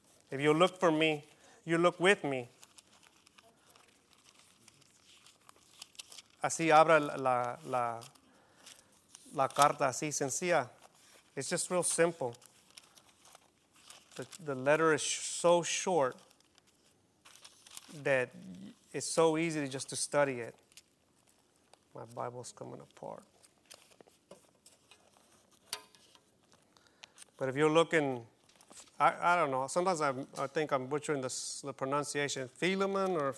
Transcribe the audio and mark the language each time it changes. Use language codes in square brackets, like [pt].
[en] If you look for me, you look with me. [es] Así abre la carta, así sencilla. [en] It's just real simple. The letter is so short that it's so easy just to study it. My Bible's coming apart. But if you're looking, I don't know. Sometimes I think I'm butchering the pronunciation. Philemon.